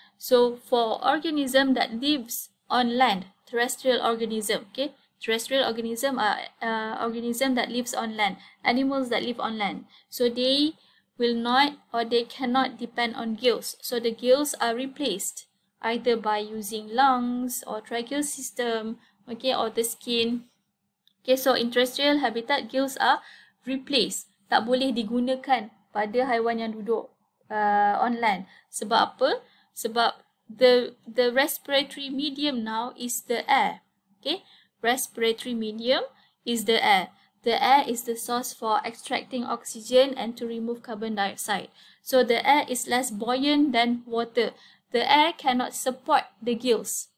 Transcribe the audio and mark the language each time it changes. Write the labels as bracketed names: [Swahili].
[English] So for organism that lives on land, terrestrial organism, okay, terrestrial organism are organism that lives on land, animals that live on land. So they will not or they cannot depend on gills. So the gills are replaced either by using lungs or tracheal system, okay, or the skin. Okay, so in terrestrial habitat, gills are replaced. [Malay] Tak boleh digunakan pada haiwan yang duduk [English] on land. [Malay] Sebab apa? [English] Sebab the respiratory medium now is the air. Okay, respiratory medium is the air. The air is the source for extracting oxygen and to remove carbon dioxide. So the air is less buoyant than water. The air cannot support the gills.